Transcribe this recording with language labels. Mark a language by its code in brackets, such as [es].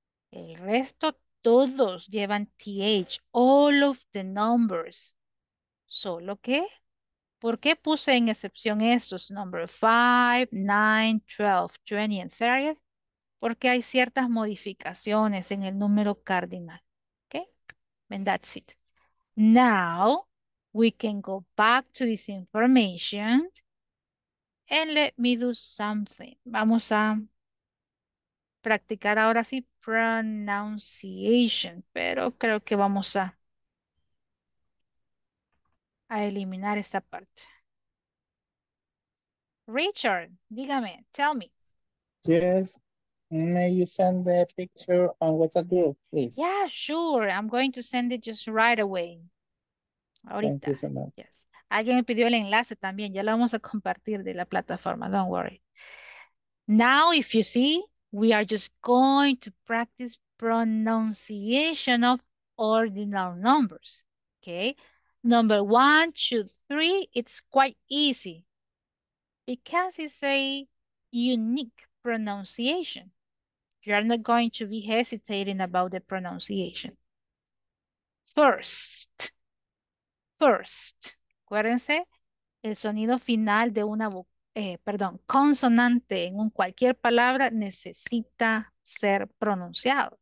[es] El resto, todos llevan TH, [en] all of the numbers. [es] ¿Solo qué? ¿Por qué puse en excepción estos? [en] Number 5, 9, 12, 20, and 30. [es] Porque hay ciertas modificaciones en el número cardinal. [en] ¿Okay? And that's it. Now, we can go back to this information and let me do something. [es] Vamos a practicar ahora sí pronunciation, pero creo que vamos a eliminar esta parte. Richard, dígame, [en] tell me. Yes, may you send the picture on WhatsApp group, please? Yeah, sure, I'm going to send it just right away. [es] Ahorita. [en] Yes. [es] Alguien me pidió el enlace también. Ya lo vamos a compartir de la plataforma. [en] Don't worry. Now, if you see, we are just going to practice pronunciation of ordinal numbers. Okay? Number 1, 2, 3, it's quite easy because it's a unique pronunciation. You are not going to be hesitating about the pronunciation. First. [es] First, acuérdense, el sonido final de una consonante en cualquier palabra necesita ser pronunciado.